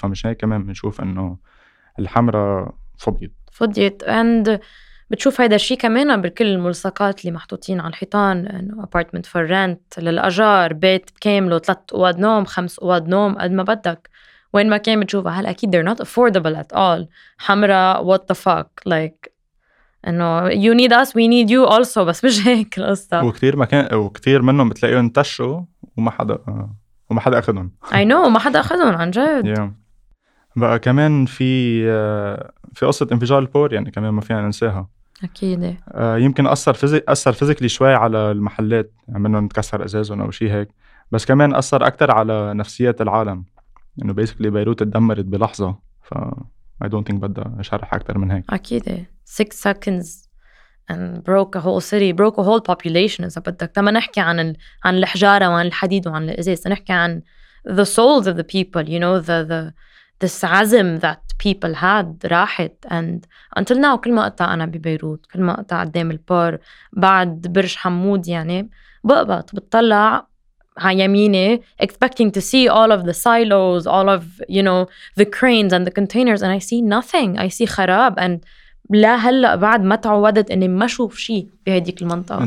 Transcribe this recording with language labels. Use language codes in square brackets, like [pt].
[ar] فمش هيك كمان بنشوف إنه الحمرة فضيت and بتشوف هيدا الشيء كمان بكل الملصقات اللي محطوطين على الحيطان انه [en] apartment for rent [ar] للأجار بيت كامله 3 أوض نوم 5 أوض نوم قد ما بدك وين ما كان بتشوفها. هلا اكيد [en] they're not affordable at all. حمرا what the fuck like انه you need us we need you also [ar] بس مش هيك القصة. وكثير مكان وكثير منهم بتلاقيهم انتشوا وما حدا اخذهم. [en] I know [ar] ما حدا اخذهم عن جد. [en] Yeah. [ar] بقى كمان في قصة انفجار البور يعني كمان ما فينا ننساها. أكيد. يمكن أثر فيزيكلي شوي على المحلات منه نتكسر أزازهم أو شيء هيك. بس كمان أثر أكتر على نفسية العالم إنه بيسكلي بيروت اتدمرت بلحظة. ف [en] I don't think [ar] بدأ أشرح أكتر من هيك. أكيد. [en] 6 seconds and broke a whole city broke a whole population [ar] إذا بدك. تما نحكي عن الحجارة وعن الحديد وعن الأزاز نحكي عن [en] the souls of the people you know the this [ar] عزم [en] that people had [ar] راحت [en] and until now [ar] كل ما قطع أنا ببيروت كل ما قطع قدام البار بعد برج حمود يعني بقبط بتطلع على يميني [en] expecting to see all of the silos all of you know the cranes and the containers and I see nothing I see [ar] خراب [en] and [ar] لا هلأ بعد ما تعودت أني ما شوف شيء بهذيك المنطقة.